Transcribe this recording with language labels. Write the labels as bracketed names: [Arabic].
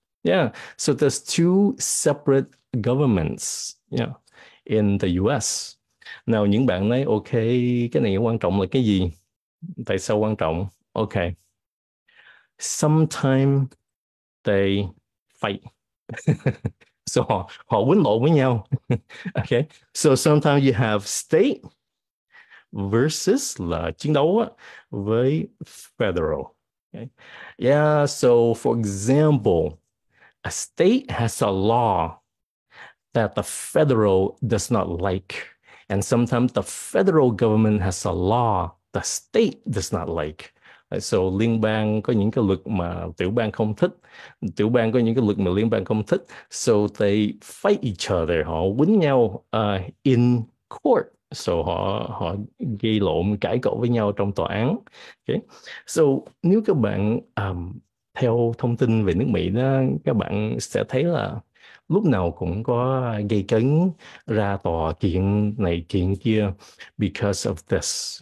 [English] Yeah, so there's two separate governments, yeah, in the US. [Vietnamese] Now những bạn nói ok, cái này quan trọng là cái gì, tại sao quan trọng? [English] Ok, sometime they fight. [Vietnamese] So họ quấn lộn với nhau. Okay. [English] So sometimes you have state versus [Vietnamese] là chiến đấu với federal. [English] Okay. Yeah, so for example, a state has a law that the federal does not like. And sometimes the federal government has a law the state does not like. [Vietnamese] So liên bang có những cái luật mà tiểu bang không thích, tiểu bang có những cái luật mà liên bang không thích. [English] So they fight each other, [Vietnamese] họ quýnh nhau [English] in court. [Vietnamese] So họ gây lộn, cãi cọ với nhau trong tòa án. Okay. So nếu các bạn theo thông tin về nước Mỹ đó, các bạn sẽ thấy là lúc nào cũng có gây cấn, ra tòa kiện này kiện kia [English] because of this.